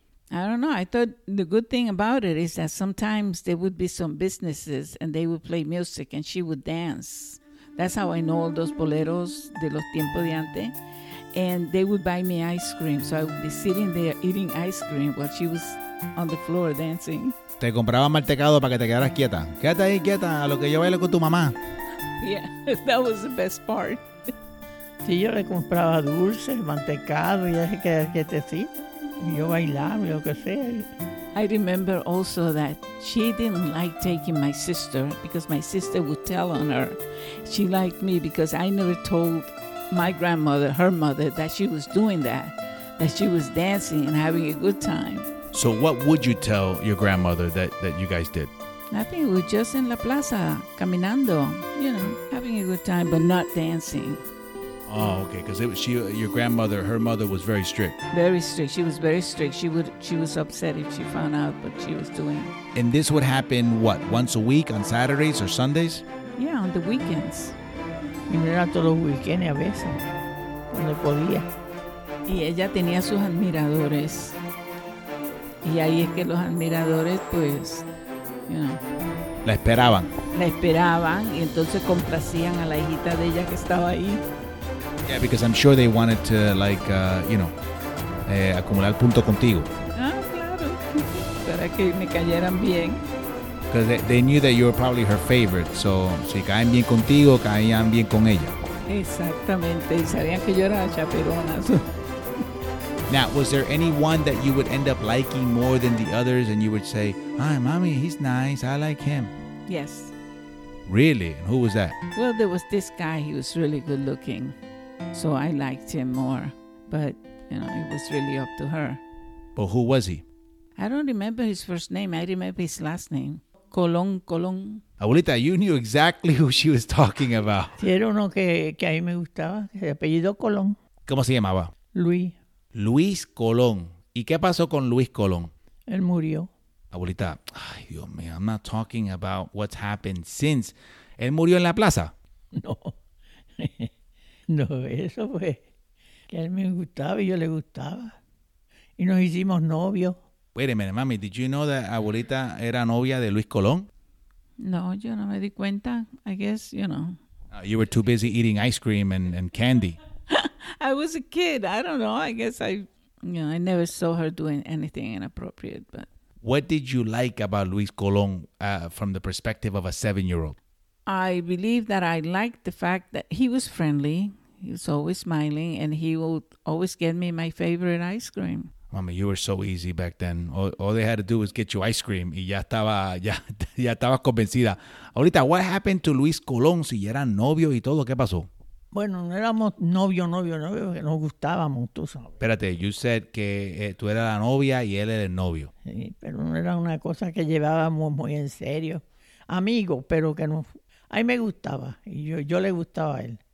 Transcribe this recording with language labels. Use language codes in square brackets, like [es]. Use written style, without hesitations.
[en] I don't know. I thought the good thing about it is that sometimes there would be some businesses and they would play music and she would dance. That's how I know all those boleros [es] de los tiempos de antes. [en] And they would buy me ice cream. So I would be sitting there eating ice cream while she was on the floor dancing. [es] Te compraba mantecado para que te quedaras quieta. Quédate ahí quieta a lo que yo bailo con tu mamá. [en] Yeah, that was the best part. [es] Sí, yo le compraba dulces, mantecado, y así que te sí. Yo bailaba, lo que sea. [en] I remember also that she didn't like taking my sister because my sister would tell on her. She liked me because I never told my grandmother, her mother, that she was doing that, that she was dancing and having a good time. So what would you tell your grandmother that you guys did? Nothing. We were just in La Plaza, caminando, you know, having a good time, but not dancing. Oh, okay. Because your grandmother, her mother was very strict. Very strict. She was very strict. She was upset if she found out what she was doing. And this would happen, what, once a week on Saturdays or Sundays? Yeah, on the weekends. [es] Y no era todos los weekends a veces, cuando podía. Y ella tenía sus admiradores. Y ahí es que los admiradores, pues, [en] you know. [es] La esperaban. La esperaban y entonces complacían a la hijita de ella que estaba ahí. [en] Yeah, because I'm sure they wanted to, like, you know, [es] acumular punto contigo. Ah, claro. Para que me cayeran bien. [en] Because they knew that you were probably her favorite. [es] So, si caen bien contigo, caían bien con ella. Exactamente. Y sabían que yo era chaperona. [en] Now, was there anyone that you would end up liking more than the others and you would say, "Ay, mami, he's nice. I like him." Yes. Really? And who was that? Well, there was this guy. He was really good looking. So I liked him more. But, you know, it was really up to her. But who was he? I don't remember his first name. I remember his last name. Colón, Colón. Abuelita, you knew exactly who she was talking about. [es] Sí, era uno que a mí me gustaba. Se apellido Colón. ¿Cómo se llamaba? Luis. Luis Colón. ¿Y qué pasó con Luis Colón? Él murió. [en] Abuelita, [es] ay, Dios mío, [en] I'm not talking about what's happened since. [es] ¿Él murió en la plaza? No. No, eso fue que él me gustaba y yo le gustaba. Y nos hicimos novios. [en] Wait a minute, mami, did you know that Abuelita [es] era novia de [en] Luis Colón? [es] No, yo no me di cuenta. [en] I guess, you know. You were too busy eating ice cream and candy. I was a kid. I don't know. I guess I never saw her doing anything inappropriate. But what did you like about Luis Colón from the perspective of a seven-year-old? I believe that I liked the fact that he was friendly. He was always smiling, and he would always get me my favorite ice cream. Mami, you were so easy back then. All they had to do was get you ice cream, [es] y ya estaba convencida. Ahorita, [en] what happened to [es] Luis Colón si eran novio y todo? ¿Qué pasó? Bueno, no éramos novio, porque nos gustábamos, tú sabes. Espérate, [en] you said [es] que tú eras la novia y él era el novio. Sí, pero no era una cosa que llevábamos muy en serio. Amigo, pero que no. Ahí me gustaba, y yo le gustaba a él.